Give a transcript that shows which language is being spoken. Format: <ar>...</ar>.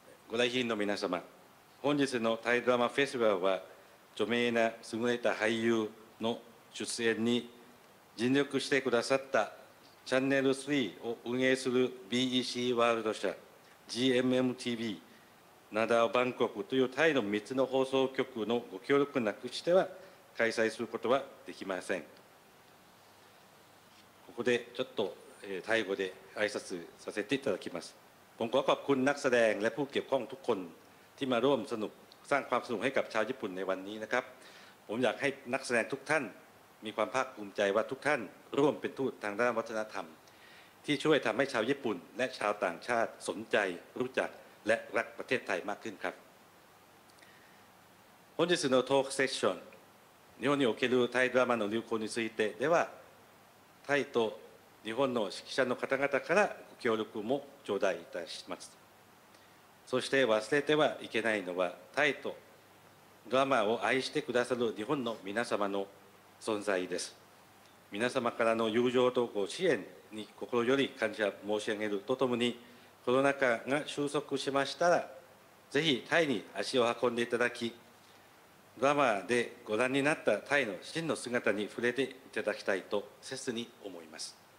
<ja>ご来賓の皆様、本日のタイドラマフェスティバルは、著名な優れた俳優の出演に尽力してくださったチャンネル3を運営する BEC ワールド社、GMMTV、ナダオバンコクというタイの3つの放送局のご協力なくしては開催することはできません。ここでちょっとタイ語で挨拶させていただきます。</ja> <th>ผมขอขอบคุณนักแสดงและผู้เกี่ยวข้องทุกคนที่มาร่วมสนุกสร้างความสนุกให้กับชาวญี่ปุ่นในวันนี้นะครับผมอยากให้นักแสดงทุกท่านมีความภาคภูมิใจว่าทุกท่านร่วมเป็นทูตทางด้านวัฒนธรรม ที่ช่วยทำให้ชาวญี่ปุ่นและชาวต่างชาติสนใจรู้จักและรักประเทศไทยมากขึ้นครับ</th> <ja>本日のトークセッション日本におけるタイドラマの流行についてではタイと日本の指揮者の方々からご協力も頂戴いたします。そして忘れてはいけないのはタイとドラマを愛してくださる日本の皆様の存在です。皆様からの友情とご支援に心より感謝申し上げるとともに、コロナ禍が収束しましたらぜひタイに足を運んでいただき、ドラマでご覧になったタイの真の姿に触れていただきたいと切に思います。</ja>